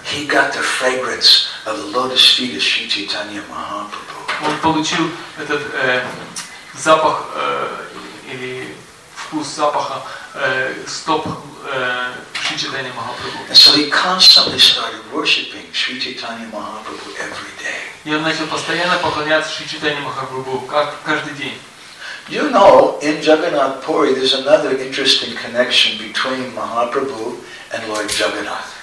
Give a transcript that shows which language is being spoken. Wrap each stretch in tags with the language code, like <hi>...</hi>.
<en>He got the fragrance of the lotus feet of Sri Chaitanya Mahaprabhu.</en> <ru>Он получил этот запах или вкус запаха стоп.</ru> <en>And so he constantly started worshiping Sri Chaitanya Mahaprabhu every day.</en> <ru>И он начал постоянно поклоняться Шри Чайтанья Махапрабху каждый день.</ru> <en>You know, in Jagannath Puri, there's another interesting connection between Mahaprabhu and Lord Jagannath.</en>